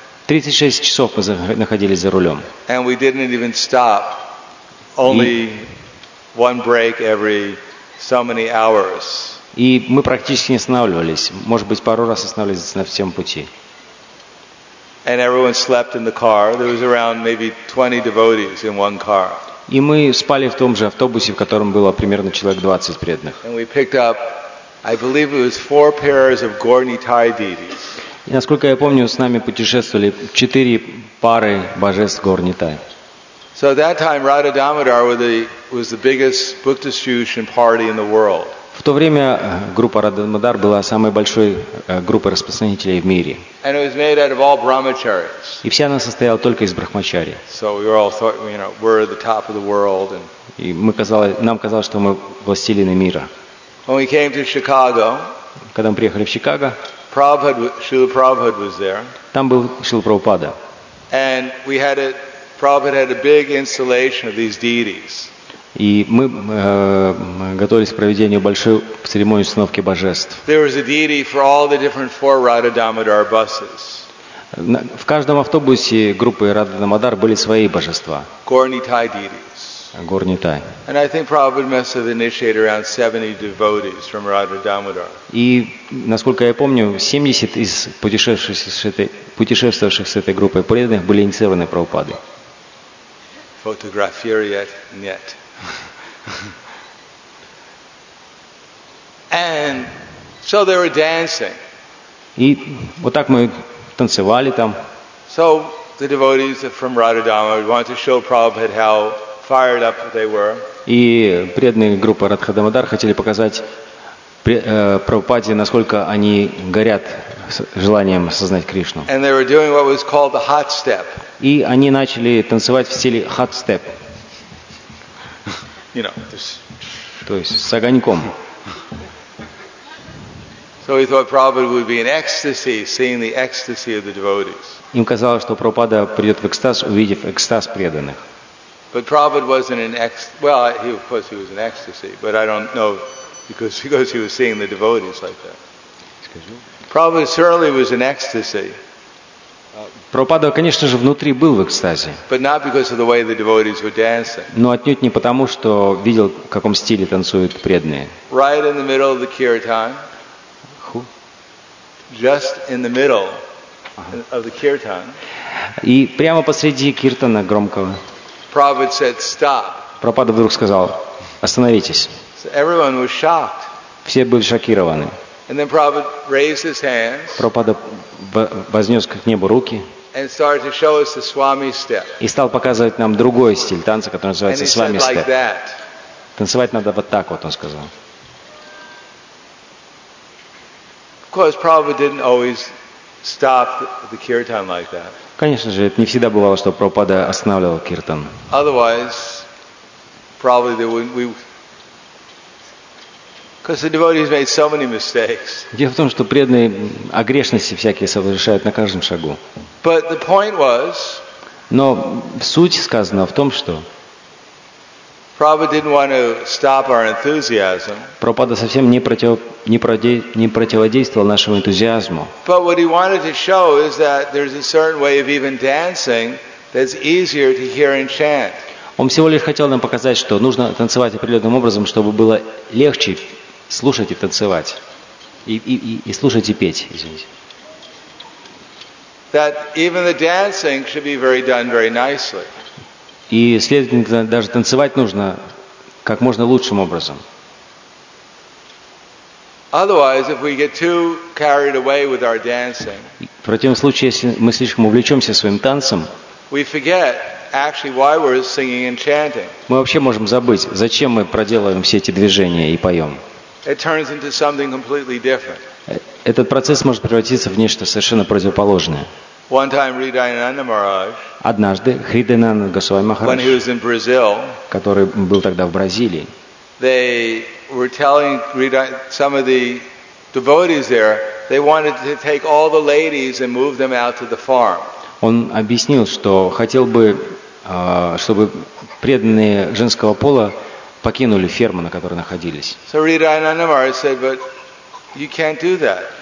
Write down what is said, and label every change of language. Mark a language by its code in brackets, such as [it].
[ru] 36 часов мы находились за рулем. [en] And we didn't even stop. Only one break every so many hours. [ru] И мы практически не останавливались. Может быть, пару раз останавливались на всем пути. [en] And everyone slept in the car. There was around maybe 20 devotees in one car. [ru] И мы спали в том же автобусе, в котором было примерно человек 20 преданных. [en] And we picked up, I believe it was four pairs of Gaur-Nitai deities. [ru] И насколько я помню, с нами путешествовали 4 пары божеств Гаур-Нитай. [en] So at that time, Radha Damodar was the biggest book distribution party in the world. [ru] В то время группа Radha Damodar была самой большой группой распространителей в мире. [en] And it was made out of all brahmacharis. [ru] И вся она состояла только из брахмачари. [en] So we all thought, you know, we're at the top of the world. And [ru] нам казалось, что мы властелины мира. [en] When we came to Chicago, [ru] когда мы приехали в Чикаго, [en] Srila Prabhupada was there. [ru] Там был Шрила Прабхупада. [en] And we had Prabhupada had a big installation of these deities. [ru] И мы готовились к проведению большой церемонии установки божеств. [en] There was a deity for all the different four Radha Damodar buses. [ru] В каждом автобусе группы Radha Damodar были свои божества. [en] Gaur-Nitai deities. [ru] Gaur-Nitai. [en] And I think Prabhupada must have initiated around 70 devotees from Radha Damodar. [ru] И насколько я помню, 70 из путешествовавших с этой группой преданных были инициированы Прабхупадой. [en] Photographer yet, [ru] нет. [en] And so they were dancing. [ru] И вот так мы танцевали там. [en] So the devotees from Radha Damodar wanted to show Prabhupada how fired up they were. [ru] И преданные группы Radha Damodar хотели показать Прабхупаде, насколько они горят желанием осознать Кришну. [en] And they were doing what was called the hot step. [ru] И они начали танцевать в стиле hot step. [en] You know, this. [ru] То есть с огоньком. [en] So we thought Prabhupada would be in ecstasy, seeing the ecstasy of the devotees. [ru] Им казалось, что Прабхупада придет в экстаз, увидев экстаз преданных. [en] But Prabhupada wasn't in ecstasy. Well, he, of course, he was in ecstasy, but I don't know because he was seeing the devotees like that. Prabhupada certainly was in ecstasy. [ru] Прабхупада, конечно же, внутри был в экстазе. [en] But not because of the way the devotees were dancing. [ru] Но отнюдь не потому, что видел, в каком стиле танцуют преданные. [en] Right in the middle of the kirtan. Who? Just in the middle of the kirtan. [ru] И прямо посреди киртана громкого. [en] Prabhupada said, "Stop." [ru] Прабхупада вдруг сказал: "Остановитесь." [en] So everyone was shocked. [ru] Все были шокированы. [en] And then Prabhupada raised his hands. [ru] Прабхупада вознес к небу руки. [en] And started to show us the Swami step. [ru] И стал показывать нам другой стиль танца, который называется Swami step. [en] And he said like that. [ru] Танцевать надо вот так вот, он сказал. [en] Of course, Prabhupada didn't always stop the kirtan like that. [ru] Конечно же, это не всегда бывало, что Прабхупада останавливал киртан. [en] Otherwise, probably there would we. Because the devotees made so many mistakes. [ru] Дело в том, что преданные огрешности всякие совершают на каждом шагу. [en] But the point was. [ru] Но суть сказана в том, что. [en] Prabhupada didn't want to stop our enthusiasm. [ru] Прабхупада совсем не противодействовал нашему энтузиазму. [en] But what he wanted to show is that there's a certain way of even dancing that's easier to hear and chant. [ru] Он всего лишь хотел нам показать, что нужно танцевать определенным образом, чтобы было легче слушать и танцевать. И слушать и петь, извините. [en] That even the dancing should be very done very nicely. [ru] И, следовательно, даже танцевать нужно как можно лучшим образом. [en] Otherwise, if we get too carried away with our dancing, [ru] в противном случае, если мы слишком увлечемся своим танцем, [en] we forget actually why we're singing and chanting. [ru] Мы вообще можем забыть, зачем мы проделываем все эти движения и поем. [en] It turns into something completely different. [ru] Этот процесс может превратиться в нечто совершенно противоположное. [en] One time, Hri Dayananda Maharaj. [ru] Однажды Hri Dayananda Goswami Maharaj, [en] when he was in Brazil, [ru] который был тогда в Бразилии, [en] they were telling some of the devotees there they wanted to take all the ladies and move them out to the farm. [ru] Он объяснил, что хотел бы, чтобы преданные женского пола покинули ферму, на которой находились. [en] So Hri Dayananda Maharaj said, "But you can't do that."